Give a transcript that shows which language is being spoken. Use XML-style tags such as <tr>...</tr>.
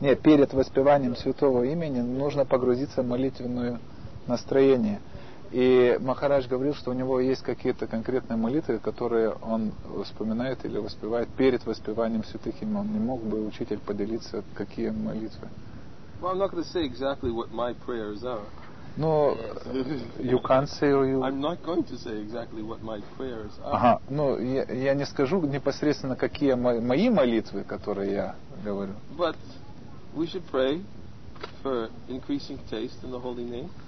<ru>Нет, перед воспеванием святого имени нужно погрузиться в молитвенное настроение. И Махарадж говорил, что у него есть какие-то конкретные молитвы, которые он вспоминает или воспевает перед воспеванием святых имен. Не мог бы учитель поделиться, какие молитвы?</ru> <en>Well, I'm not going to say exactly what my prayers are.</en> <ru>Но</ru> <en>you can't say or you. I'm not going to say exactly what my prayers are.</en> <ru>Ага. Ну я не скажу непосредственно, какие мои молитвы, которые я говорю.</ru> <en>But we should pray for increasing taste in the holy name.</en>